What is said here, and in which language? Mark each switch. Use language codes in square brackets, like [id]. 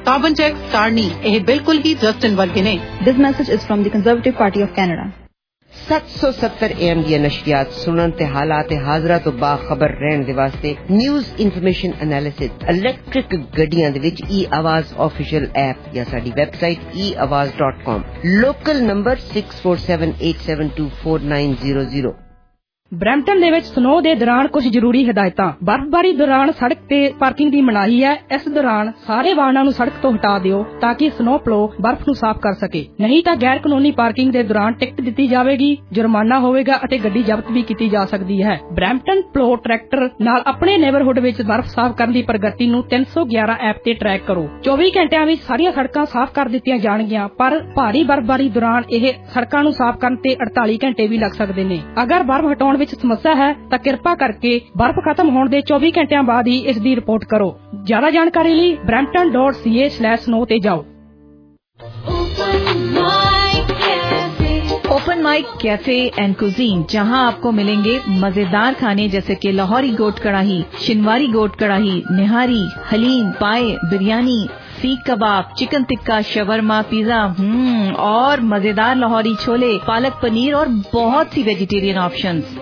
[pa] carbon tax Carney ਇਹ ਬਿਲਕੁਲ ਹੀ Justin ਵਰਗੇ ਨੇ [en] this message is from the conservative party of canada [pa] 770 M D نشریات سنن تے حالات حاضرہ تو با خبر رہن دے واسطے نیوز انفارمیشن انالیسس الیکٹرک گڈیاں دے وچ ای آواز آفیشل ایپ یا ساڈی ویب سائٹ ای آواز dot com local number 6478724900 Brampton ਦੇ ਵਿਚ ਸਨੋ ਦੇ ਦੌਰਾਨ ਕੁਝ ਜ਼ਰੂਰੀ ਹਦਾਇਤਾਂ ਬਰਫ਼ਬਾਰੀ ਦੌਰਾਨ ਸੜਕ ਤੇ ਪਾਰਕਿੰਗ ਦੀ ਮਨਾਹੀ ਹੈ ਇਸ ਦੌਰਾਨ ਸਾਰੇ ਵਾਹਨਾਂ ਨੂੰ ਸੜਕ ਤੋਂ ਹਟਾ ਦਿਓ ਤਾਂ ਕਿ ਸਨੋ ਪਲੋ ਬਰਫ਼ ਨੂੰ ਸਾਫ਼ ਕਰ ਸਕੇ ਨਹੀਂ ਤਾਂ ਗੈਰ ਕਾਨੂੰਨੀ ਪਾਰਕਿੰਗ ਦੇ ਦੌਰਾਨ ਟਿਕਟ ਦਿੱਤੀ ਜਾਵੇਗੀ ਜੁਰਮਾਨਾ ਹੋਵੇਗਾ ਅਤੇ ਗੱਡੀ ਜ਼ਬਤ ਵੀ ਕੀਤੀ ਜਾ ਸਕਦੀ ਹੈ ਬ੍ਰੈਂਪਟਨ ਪਲੋ ਟਰੈਕਟਰ ਨਾਲ ਆਪਣੇ ਨੇਬਰਹੁੱਡ ਵਿਚ ਬਰਫ਼ ਸਾਫ਼ ਕਰਨ ਦੀ ਪ੍ਰਗਤੀ ਨੂੰ 311 ਐਪ ਤੇ ਟਰੈਕ ਕਰੋ 24 ਘੰਟਿਆਂ ਵਿਚ ਸਾਰੀਆਂ ਸੜਕਾਂ ਸਾਫ਼ ਕਰ ਦਿੱਤੀਆਂ ਜਾਣਗੀਆਂ ਪਰ ਭਾਰੀ ਬਰਫ਼ਬਾਰੀ ਦੌਰਾਨ ਇਹ ਸੜਕਾਂ ਨੂੰ ਸਾਫ਼ ਕਰਨ ਤੇ 48 ਘੰਟੇ ਵੀ ਲੱਗ ਸਕਦੇ ਨੇ ਅਗਰ ਬਰਫ਼ ਹਟਾਉਣ ਵਿਚ ਸਮੱਸਿਆ ਹੈ ਤਾਂ ਕਿਰਪਾ ਕਰਕੇ ਬਰਫ਼ ਖਤਮ ਹੋਣ ਦੇ 24 ਘੰਟਿਆਂ ਬਾਅਦ ਹੀ ਇਸ ਦੀ ਰਿਪੋਰਟ ਕਰੋ ਜ਼ਿਆਦਾ ਜਾਣਕਾਰੀ ਲਈ brampton.ca/snow ਤੇ ਜਾਓ [hi] open mic cafe and cuisine जहां आपको मिलेंगे मजेदार खाने जैसे कि लाहौरी गोट कड़ाही शिनवारी गोट कड़ाही निहारी हलीम पाए बिरयानी सीख कबाब चिकन टिक्का शवरमा पिज्जा और मजेदार लाहौरी छोले पालक पनीर और बहुत सी वेजिटेरियन ऑप्शंस।